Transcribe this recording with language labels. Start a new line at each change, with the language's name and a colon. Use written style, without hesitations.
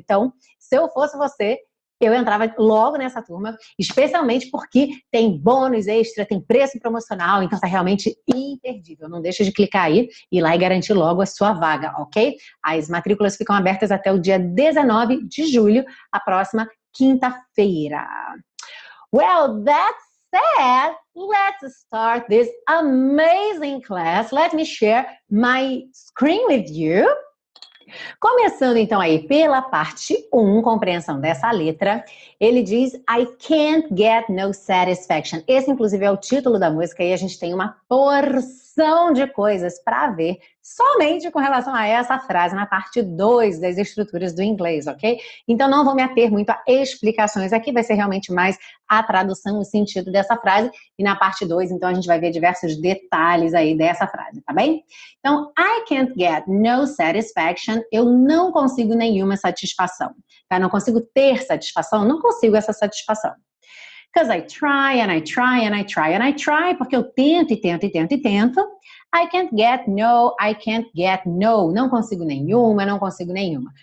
Portuguese: Então, se eu fosse você, eu entrava logo nessa turma, especialmente porque tem bônus extra, tem preço promocional, então tá realmente imperdível. Não deixa de clicar aí, ir lá e garantir logo a sua vaga, ok? As matrículas ficam abertas até o dia 19 de julho, a próxima quinta-feira.
English: Well, that said, let's start this amazing class. Let me share my screen with you.
Portuguese: Começando então aí pela parte 1, compreensão dessa letra, ele diz
English: I can't get no satisfaction.
Portuguese: Esse inclusive é o título da música e a gente tem uma porção de coisas para ver somente com relação a essa frase na parte 2 das estruturas do inglês, ok? Então não vou me ater muito a explicações aqui, vai ser realmente mais a tradução, o sentido dessa frase. E na parte 2, então, a gente vai ver diversos detalhes aí dessa frase, tá bem?
English: Então, I can't get no satisfaction.
Portuguese: Eu não consigo nenhuma satisfação. Tá? Não consigo ter satisfação, não consigo essa satisfação.
English: Because I try and I try and I try and I try,
Portuguese: porque eu tento e tento
English: e tento e tento. I can't get no,
Portuguese: não consigo nenhuma, não consigo nenhuma.